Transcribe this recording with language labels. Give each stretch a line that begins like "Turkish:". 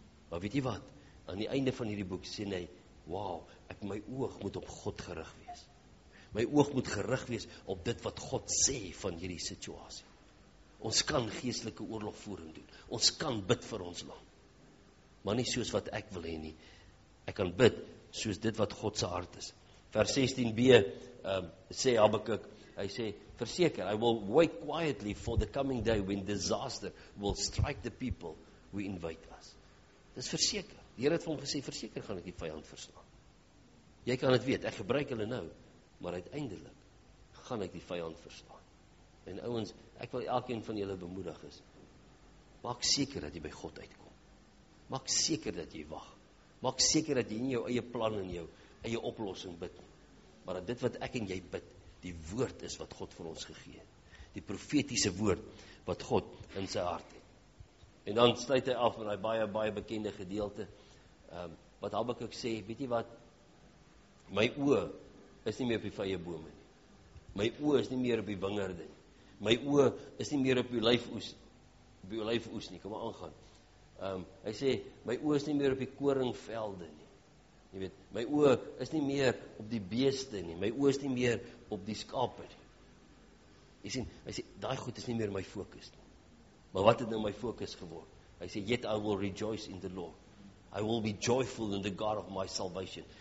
Afrikaans: Maar weet jy wat, aan die einde van hierdie boek sê hy, wauw, ek my oog moet op God gerig wees. My oog moet gerig wees op dit wat God sê van hierdie situasie. Ons kan geestelike oorlogvoering doen. Ons kan bid vir ons land. Maar nie soos wat ek wil hê nie. Ek kan bid soos dit wat God se hart is. Vers 16b sê Habakuk, hy sê, verseker,
English: I will wait quietly for the coming day when disaster will strike the people who invite us.
Afrikaans: Dis verseker. Die Here het vir hom gesê, verseker gaan ek die vyand verslaan. Jy kan dit weet, ek gebruik hulle nou, maar uiteindelik gaan ek die vyand verslaan. En ouens, ek wil elkeen van julle bemoedig is, maak seker dat jy by God uitkom. Maak seker dat jy wag. Maak seker dat jy nie jou eie plan en jou eie oplossing bid nie. Maar dat dit wat ek en jy bid, die woord is wat God vir ons gegee het. Die profetiese woord wat God in sy hart het. En dan sluit hy af met hy baie, baie bekende gedeelte. Wat Habakuk sê, weet jy wat? My oë is nie meer op die vye bome nie. My oë is nie meer op die wingerde nie. My oë is nie meer op die olyfoes nie. Kom maar aangaan. Hy sê, my oë is nie meer op die koringvelde nie. Jy weet, my oë is nie meer op die beeste nie. My oë is nie meer op die skape nie. Jy sien, hy sê, daai goed is nie meer my fokus nie. Maar wat het nou my fokus geword? Hy sê,
English: yet I will rejoice in the Lord. I will be joyful in the God of my salvation.